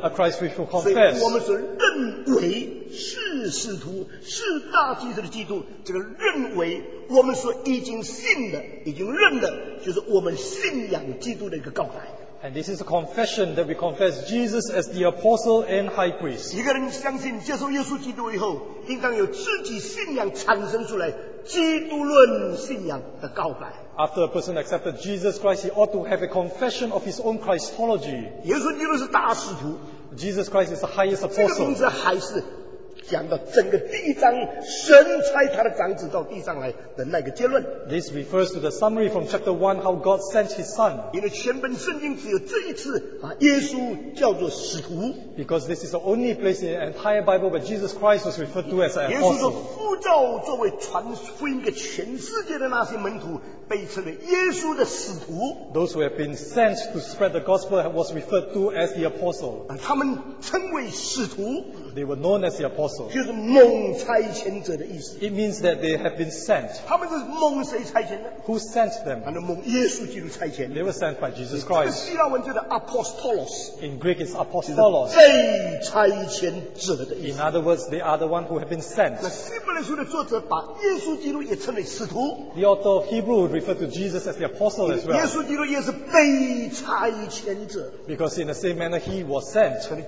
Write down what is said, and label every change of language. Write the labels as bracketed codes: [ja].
[en] A Christ we shall confess. And this is a confession that we confess Jesus as the apostle and high priest. [zh] 一个人相信接受耶稣基督以后, 应当有自己信仰产生出来基督论信仰的告白。 [en] After a person accepted Jesus Christ, he ought to have a confession of his own Christology. [zh] 耶稣基督是大使徒, [en] Jesus Christ is the highest apostle. [zh] 这个名字还是 讲到整个第一章神差他的长子到地上来的那个结论。 [en] This refers to the summary from chapter 1 how God sent his son. [zh] 因为全本圣经只有这一次耶稣叫做使徒。 [en] Because this is the only place in the entire Bible where Jesus Christ was referred to as an apostle. [zh] 耶稣说呼召作为传福音给全世界的那些门徒 [en] Those who have been sent to spread the gospel was referred to as the apostle. [zh] 他们称为使徒, [en] they were known as the apostle. [zh] 就是蒙差遣者的意思。 [en] It means that they have been sent. [zh] 他们是蒙谁差遣的? [en] Who sent them? [zh] 蒙耶稣基督差遣的。 [en] They were sent by Jesus Christ. [zh] 这个希腊文就是apostolos, [en] in Greek it's apostolos. [zh] 被差遣者的意思。 [en] In other words, they are the ones who have been sent. [zh] 那希伯来书的作者把耶稣基督也称为使徒。 [en] The author of Hebrew refer to Jesus as the apostle as well. [zh] 耶稣基督也是被差遣者。 [en] Because in the same manner he was sent.